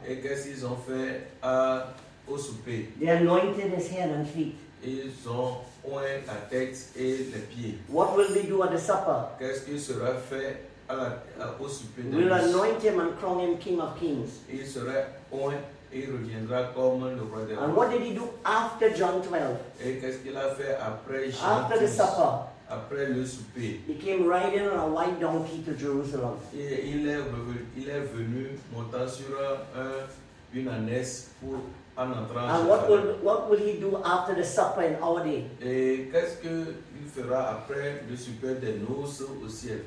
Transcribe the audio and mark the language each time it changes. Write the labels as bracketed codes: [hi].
[fr] Et qu'est-ce qu'ils ont fait au souper? [en] They anointed his head and feet. [fr] Ils ont oint la tête et les pieds. [en] What will they do at the supper? [fr] Qu'est-ce qui sera fait au souper? [en] We'll anoint him and crown him king of kings. [fr] Il sera oint et reviendra comme le roi des rois. [en] And what did he do after John 12? [fr] Et qu'est-ce qu'il a fait après Jean 12? [en] After the supper. [fr] Après le souper. [en] He came riding on a white donkey to Jerusalem. [fr] Il est venu montant sur une ânesse pour. [en] And what will he do after the supper in our day? [fr] Et qu'est-ce que il fera après le souper des noces au ciel?